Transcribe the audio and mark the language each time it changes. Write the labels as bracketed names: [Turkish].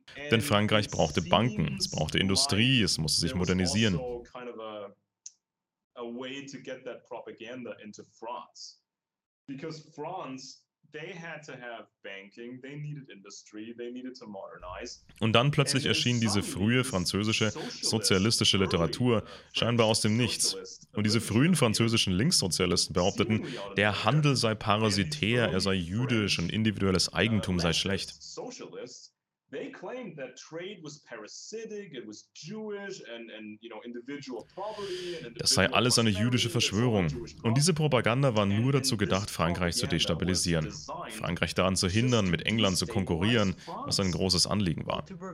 [German] Denn Frankreich brauchte Banken, es brauchte Industrie, es musste sich modernisieren. [English] A way to get that propaganda into France. Because France, they had to have banking, they needed industry, they needed to modernize. [German] Und dann plötzlich erschien diese frühe französische sozialistische Literatur, scheinbar aus dem Nichts. Und diese frühen französischen Linkssozialisten behaupteten, der Handel sei parasitär, er sei jüdisch und individuelles Eigentum sei schlecht. [English] They claimed that trade was parasitic, it was Jewish and you know, individual property. [German] Das sei alles eine jüdische Verschwörung. Und diese Propaganda war nur dazu gedacht, Frankreich zu destabilisieren, Frankreich daran zu hindern, mit England zu konkurrieren, was ein großes Anliegen war.